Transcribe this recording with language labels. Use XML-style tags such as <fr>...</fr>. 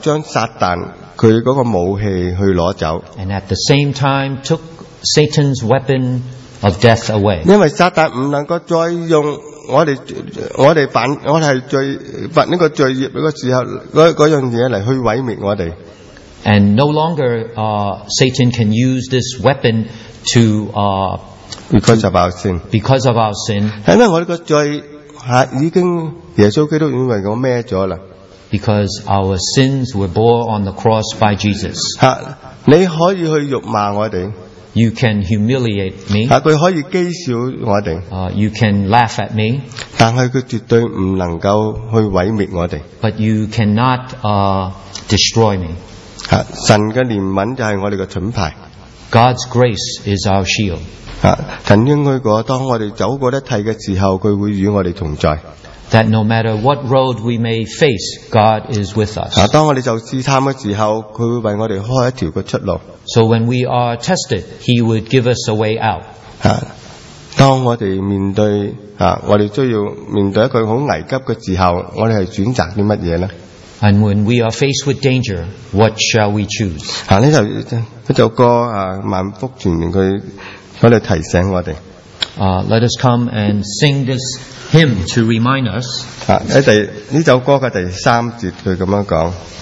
<zh>他也从那时候将撒旦他的武器去拿走,</zh> <en>and at the same time took Satan's weapon of death away.</en> <zh>因为撒旦不能够再用 我们犯这个罪业的时候那样东西来毁灭我们,</zh> <en>and no longer Satan can use this weapon to because of our sin.</en> <zh>因为我们的罪已经耶稣基督已经为我背了,</zh> <en>because our sins were bore on the cross by Jesus.</en> <zh>你可以去辱骂我们,</zh> <en>you can humiliate me.</en> <zh>他可以讥笑我们,</zh> <en>you can laugh at me.</en> <zh>但是他绝对不能够去毁灭我们,</zh> <en>but you cannot destroy me.</en> <zh>神的怜悯就是我们的盾牌,</zh> <en>God's grace is our shield.</en> <zh>曾经去过当我们走过一切的时候, 祂会与我们同在,</zh> <en>that no matter what road we may face, God is with us.</en> <zh>当我们受试探的时候, 祂会为我们开一条出路,</zh> <en>so when we are tested, he would give us a way out.</en> <zh>当我们需要面对一个很危急的时候, 我们是选择什么呢?</zh> <en>And when we are faced with danger, what shall we choose?</en> <zh>这首歌, 万福传言, 他提醒我们,</zh> <en>Let us come and sing this hymn to remind us.</en> <zh>这首歌的第三节，他这么说。</zh>